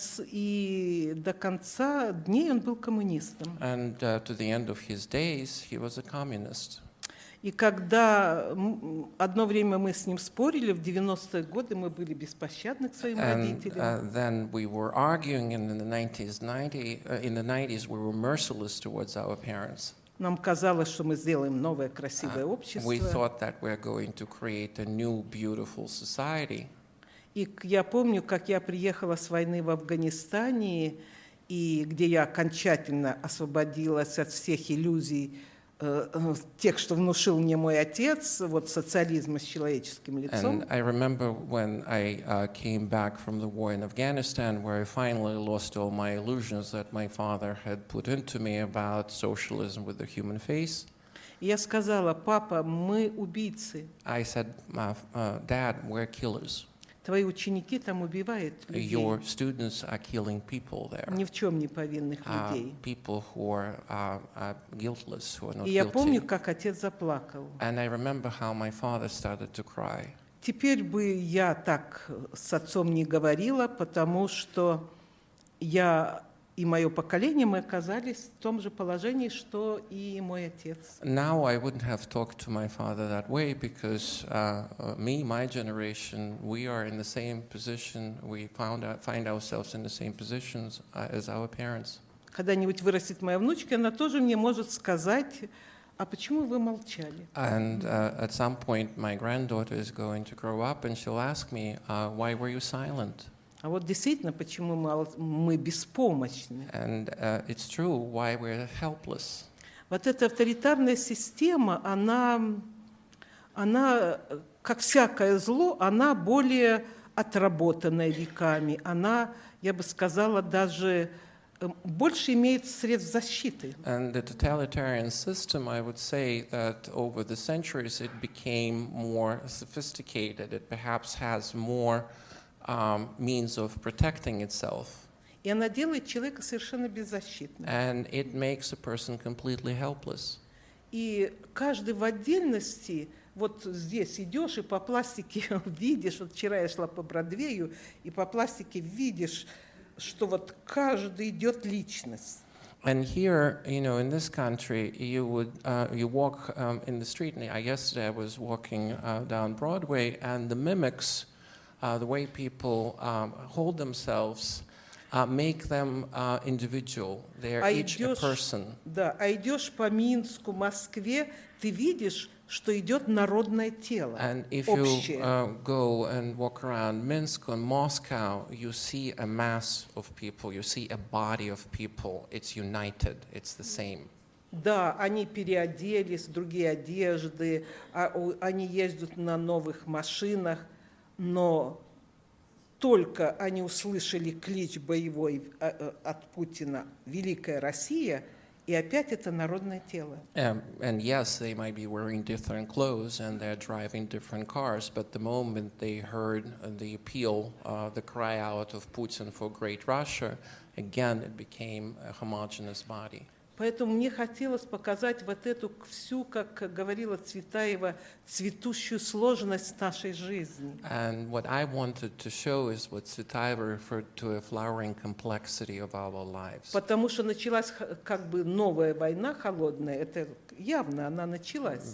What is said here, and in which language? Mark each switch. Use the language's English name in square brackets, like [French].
[Russian] И до конца дней он был коммунистом. [English] And to the end of his days, he was a communist. [Russian] И когда одно время мы с ним спорили, в 90-е годы мы были беспощадны к своим [English] and, [Russian] родителям. [English] Then we were arguing, and in the 90s, we were merciless towards our parents. [Russian] Нам казалось, что мы сделаем новое красивое общество. [English] We thought that we are going to create a new beautiful society. [Russian] И я помню, как я приехала с войны в Афганистане, и где я окончательно освободилась от всех иллюзий, тех, что внушил мне мой отец, вот социализма с человеческим лицом. [English] And I remember when I came back from the war in Afghanistan, where I finally lost all my illusions that my father had put into me about socialism with a human face. [Russian] Я сказала, папа, мы убийцы. [English] I said, Dad, we're killers. [Russian] Твои ученики там убивают людей. [English] Your students are killing people there. [Russian] Ни в чем не повинных людей. [English] People who are guiltless, who are not guilty. [Russian] Я помню, как отец заплакал. [English] And I remember how my father started to cry. [Russian] Теперь бы я так с отцом не говорила, потому что я и мое поколение, мы оказались в том же положении, что и мой отец. [English] Now I wouldn't have talked to my father that way, because me, my generation, we are in the same position, we find ourselves in the same positions as our parents. [Russian] Когда-нибудь вырастет моя внучка, она тоже мне может сказать, а почему вы молчали? [English] And at some point my granddaughter is going to grow up and she'll ask me, why were you silent? [Russian] А вот действительно, почему мы беспомощны? [English] And it's true why we're helpless. [Russian] Вот эта авторитарная система, она как всякое зло, она более отработанная веками. Она, я бы сказала, даже больше имеет средств защиты. [English] And the totalitarian system, I would say that over the centuries it became more sophisticated. It perhaps has more means of protecting itself. [Russian] И она делает человека совершенно беззащитным. [English] And it makes a person completely helpless. [Russian] И каждый в отдельности, вот здесь идешь и по пластике видишь, вот вчера я шла по Бродвею, и по пластике видишь, что вот каждый идет личность. [English] And here, you know, in this country, you would you walk in the street, and yesterday I was walking down Broadway, and the mimics, the way people hold themselves, make them individual. They are each a person. [Russian] Да, а идешь по Минску, Москве, ты видишь, что идет народное тело. [English] And if [Russian] общее. [English] You go and walk around Minsk and Moscow, you see a mass of people. You see a body of people. It's united. It's the same. [Russian] Да, они переоделись, другие одежды, они ездят на новых машинах, но только они услышали клич боевой от Путина «Великая Россия», и опять это народное тело. [English] And yes, they might be wearing different clothes and they're driving different cars, but the moment they heard the appeal, the cry out of Putin for great Russia, again it became a homogeneous body. [Russian] Поэтому мне хотелось показать вот эту всю, как говорила Цветаева, цветущую сложность нашей жизни. [English] And what I wanted to show is what Tsvetaeva referred to, a flowering complexity of our lives. [Russian] Потому что началась как бы новая война холодная, это явно, она началась.